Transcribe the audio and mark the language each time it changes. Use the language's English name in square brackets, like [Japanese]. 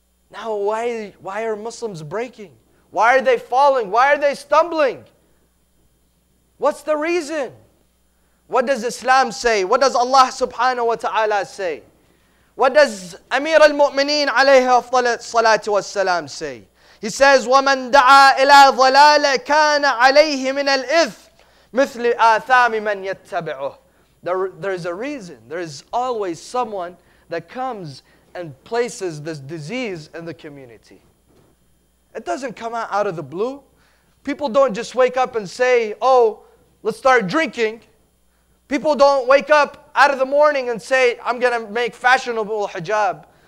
[English] Now, why are Muslims breaking? Why are they falling? Why are they stumbling? What's the reason? What does Islam say? What does Allah subhanahu wa ta'ala say? What does Amir al-Mu'mineen alayhi salatu wa salam say? He says, [Arabic] وَمَنْ دَعَى إِلَىٰ ظَلَالَ كَانَ عَلَيْهِ مِنَ الْإِثْمِ مِثْلِ آثَامِ مَنْ يَتَّبِعُهُ. [English] There is a reason. There is always someone that comes and places this disease in the community. It doesn't come out of the blue. People don't just wake up and say, oh, let's start drinking. People don't wake up out of the morning and say, I'm going to make fashionable hijab.